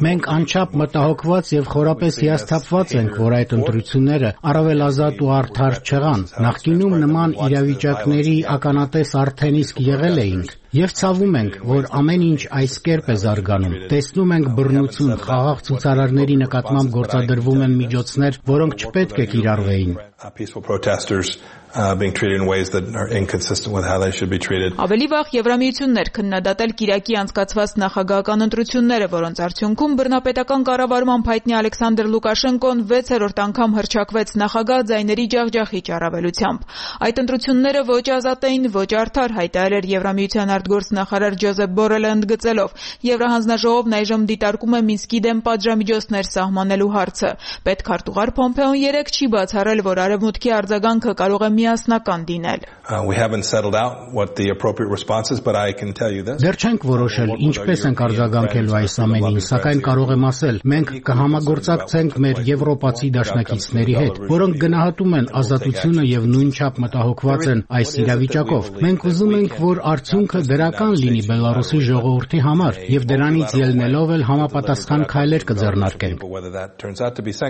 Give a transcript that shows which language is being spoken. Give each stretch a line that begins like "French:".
Armenian: Մենք անչափ մտահոգված եւ խորապես հիասթափված ենք, որ այդ ընտրությունները առավել ազատ ու արդար չեղան։ Նախկինում նման իրավիճակների ականատես արդեն իսկ եղել էինք։ Եվ ցավում ենք, որ ամեն ինչ այս կերպ է զարգանում։ Տեսնում ենք բռնություն խաղաղ ցուցարարների նկատմամբ գործադրվում են միջոցներ, որոնք չպետք է կիրառվեին։
English: Being treated in ways that are inconsistent with how they should be treated.
Armenian: Ավելի վաղ Եվրամիություններ քննադատել Կիրակի անցկացված նախագահական ընտրությունները, որոնց արդյունքում բռնապետական կառավարման հայտնի Ալեքսանդր Լուկաշենկոն 6-րդ անգամ հրճակվեց նախագահ ձայների ջախջախիչ առավելությամբ։ Այդ ընտրությունները ոչ ազատ էին, ոչ արդար, հայտարարել էր Եվրամիության արտգործնախարար Ջոզեփ Բորելը ընդգծելով։ Եվրահանձնաժողով այժմ դիտարկում է Մինսկի դեմ պատժամիջոցներ սահմանելու հարցը։ Պետքարտուղար Պոմպեոն 3 չի բացառել, որ արևմուտքի արձագանքը կարող միասնական դինել։
English: We haven't settled out what the appropriate response is, but I can tell you this.
Armenian: Դեռ չենք որոշել ինչպես ենք արձագանքելու այս ամենին, սակայն կարող եմ ասել, մենք կհամագործակցենք մեր եվրոպացի դաշնակիցների հետ, որոնք գնահատում են ազատությունը եւ նույնչափ մտահոգված են այս իրավիճակով։ Մենք ուզում ենք, որ արդյունքը դրական լինի Բելարուսի ժողովրդի համար եւ դրանից ելնելով էլ համապատասխան քայլեր կձեռնարկենք։